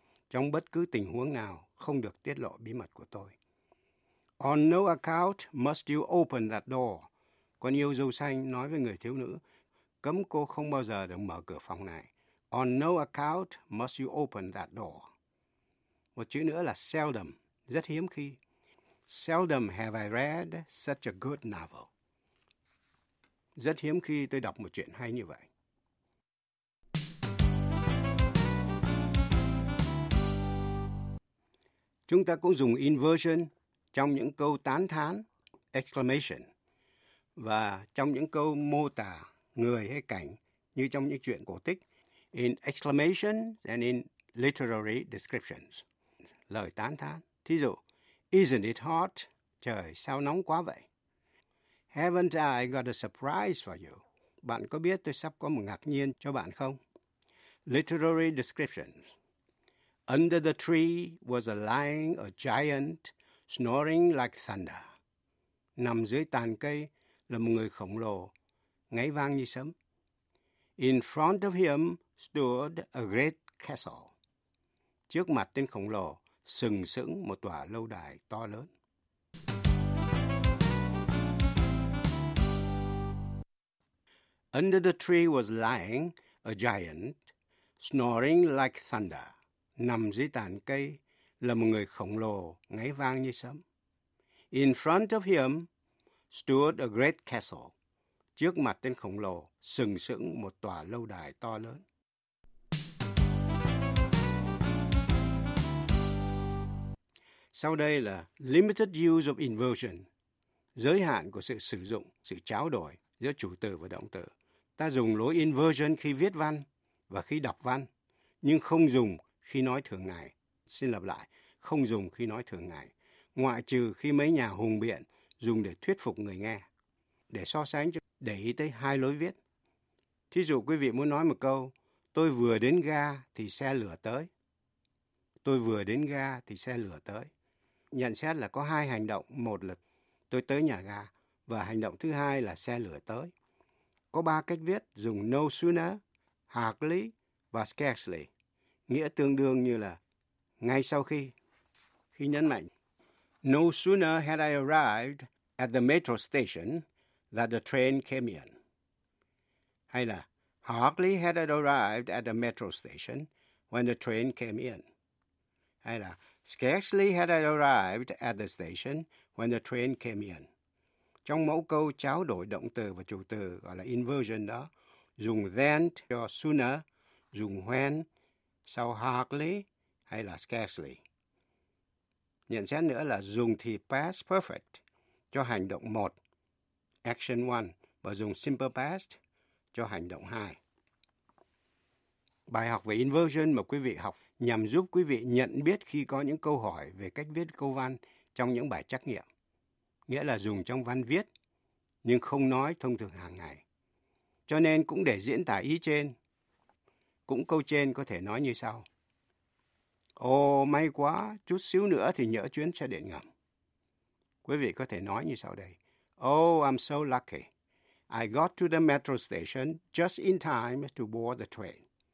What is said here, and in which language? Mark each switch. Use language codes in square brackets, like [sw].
[vi] Trong bất cứ tình huống nào, không được tiết lộ bí mật của tôi. [en] On no account must you open that door. [vi] Con yêu dâu xanh nói với người thiếu nữ, cấm cô không bao giờ được mở cửa phòng này. [en] On no account must you open that door. [vi] Một chữ nữa là seldom, rất hiếm khi. [en] Seldom have I read such a good novel. [vi] Rất hiếm khi tôi đọc một chuyện hay như vậy. Chúng ta cũng dùng inversion trong những câu tán thán, exclamation, và trong những câu mô tả người hay cảnh như trong những chuyện cổ tích, [en] in exclamation and in literary descriptions, [vi] lời tán thán. Thí dụ, [en] isn't it hot? [vi] Trời, sao nóng quá vậy? [en] Haven't I got a surprise for you? [vi] Bạn có biết tôi sắp có một ngạc nhiên cho bạn không? [en] Literary descriptions. Under the tree was lying a giant snoring like thunder. [vi] Nằm dưới tàn cây là một người khổng lồ, ngáy vang như sấm. [en] In front of him stood a great castle. [vi] Trước mặt tên khổng lồ, sừng sững một tòa lâu đài to lớn. [en] Under the tree was lying a giant, snoring like thunder. [vi] Nằm dưới tàn cây là một người khổng lồ, ngáy vang như sấm. [en] In front of him stood a great castle. [vi] Trước mặt tên khổng lồ, sừng sững một tòa lâu đài to lớn. Sau đây là [en] limited use of inversion, [vi] giới hạn của sự sử dụng, sự trao đổi giữa chủ từ và động từ. Ta dùng lối inversion khi viết văn và khi đọc văn, nhưng không dùng khi nói thường ngày. Xin lặp lại, không dùng khi nói thường ngày, ngoại trừ khi mấy nhà hùng biện dùng để thuyết phục người nghe. Để so sánh, để ý tới hai lối viết. Thí dụ quý vị muốn nói một câu, tôi vừa đến ga thì xe lửa tới. Tôi vừa đến ga thì xe lửa tới. Nhận xét là có hai hành động, một là tôi tới nhà ga và hành động thứ hai là xe lửa tới. Có ba cách viết dùng no sooner, hardly và scarcely, nghĩa tương đương như là ngay sau khi. Khi nhấn mạnh, [en] no sooner had I arrived at the metro station that the train came in. [vi] Hay là [en] hardly had I arrived at the metro station when the train came in. [vi] Hay là [en] scarcely had I arrived at the station when the train came in. [vi] Trong mẫu câu trao đổi động từ và chủ từ gọi là inversion đó, dùng then cho sooner, dùng when sau hardly hay là scarcely. Nhận xét nữa là dùng thì past perfect cho hành động 1, action 1, và dùng simple past cho hành động 2. Bài học về inversion mà quý vị học nhằm giúp quý vị nhận biết khi có những câu hỏi về cách viết câu văn trong những bài trắc nghiệm. Nghĩa là dùng trong văn viết, nhưng không nói thông thường hàng ngày. Cho nên cũng để diễn tả ý trên, cũng câu trên có thể nói như sau. Ồ, may quá, chút xíu nữa thì nhỡ chuyến xe điện ngầm. Quý vị có thể nói như sau đây. [en] Oh, I'm so lucky. I got to the metro station just in time to board the train.